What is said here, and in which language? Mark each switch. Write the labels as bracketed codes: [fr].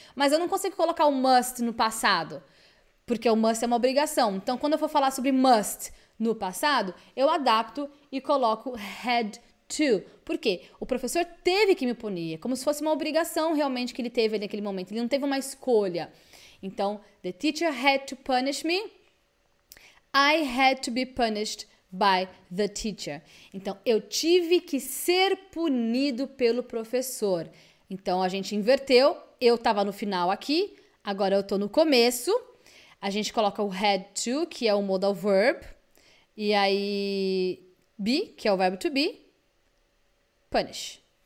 [pt] Mas eu não consigo colocar o must no passado, porque o must é uma obrigação. Então, quando eu for falar sobre must no passado, eu adapto e coloco had to. Por quê? O professor teve que me punir, é como se fosse uma obrigação realmente que ele teve naquele momento. Ele não teve uma escolha. Então, [en] the teacher had to punish me. I had to be punished by the teacher. [pt] Então, eu tive que ser punido pelo professor. Então, a gente inverteu. Eu estava no final aqui. Agora, eu estou no começo. A gente coloca o had to, que é o modal verb. E aí, be, que é o verbo to be. Punish.